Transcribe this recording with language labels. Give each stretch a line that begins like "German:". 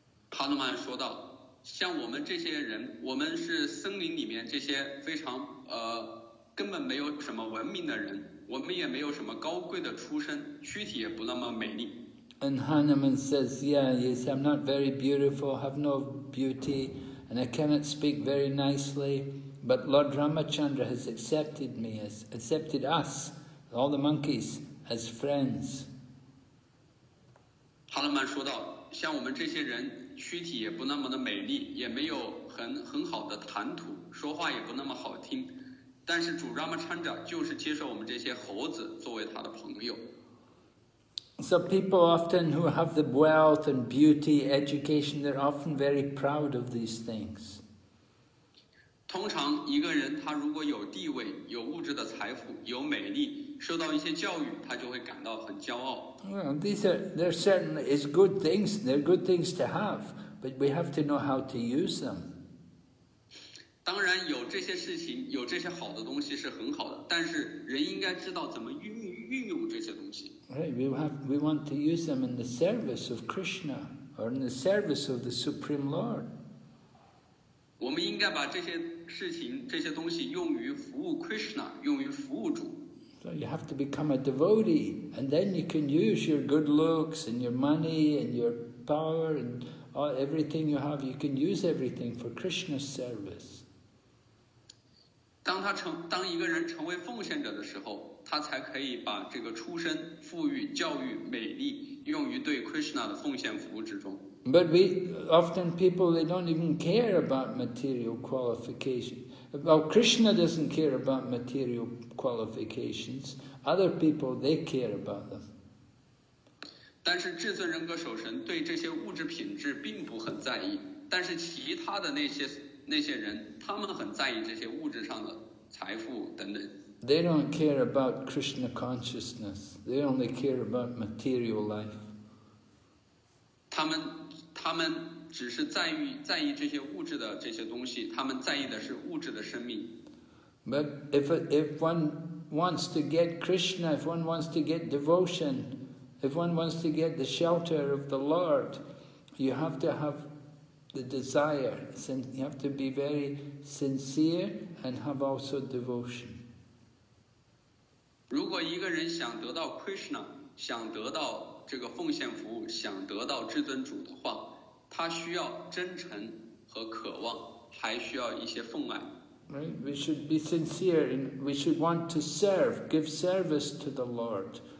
Chinese: 哈努曼说道，像我们这些人，我们是森林里面这些非常根本没有什么文明的人，我们也没有什么高贵的出身，躯体也不那么美丽。
English: And Hanuman says, yeah, yes, I'm not very beautiful, have no beauty, and I cannot speak very nicely, but Lord Ramachandra has accepted us, all the monkeys, as friends.
Chinese: 哈努曼说道，像我们这些人躯体也不那么的美丽，也没有很好的谈吐，说话也不那么好听，但是主 Ramachandra 就是接受我们这些猴子作为他的朋友。
English: So people often who have the wealth and beauty, education, they're often very proud of these things.
Chinese: 通常一个人他如果有地位、有物质的财富、有美丽，受到一些教育，他就会感到很骄傲。
English: Well, they're certainly is good things. They're good things to have, but we have to know how to use them.
Chinese: 当然，有这些事情，有这些好的东西是很好的，但是人应该知道怎么运用这些东西。
English: Right, we want to use them in the service of Krishna or in the service of the Supreme Lord.
Chinese: 我们应该把这些事情、这些东西用于服务 Krishna, 用于服务主。
English: So you have to become a devotee, and then you can use your good looks and your money and your power and all, everything you have, you can use everything for Krishna's service.
Chinese: 当一个人成为奉献者的时候，他才可以把这个出身、富裕、教育、美丽用于对 Krishna 的奉献服务之中。
English: But we often people, they don't even care about material qualification. Well, Krishna doesn't care about material qualifications. Other people, they care about them.
Chinese: 但是至尊人格守神对这些物质品质并不很在意，但是其他的那些人，他们很在意这些物质上的财富等等。
English: They don't care about Krishna consciousness. They only care about material life.
Chinese: 他们只是在意这些物质的这些东西，他们在意的是物质的生命。
English: But if one wants to get Krishna, if one wants to get devotion, if one wants to get the shelter of the Lord, you have to have the desire. You have to be very sincere and have also devotion.
Chinese: 如果一个人想得到 Krishna, 想得到这个奉献服务，想得到至尊主的话，他需要真诚和渴望，还需要一些奉爱。
English: Right, we should be sincere and we should want to serve, give service to the Lord.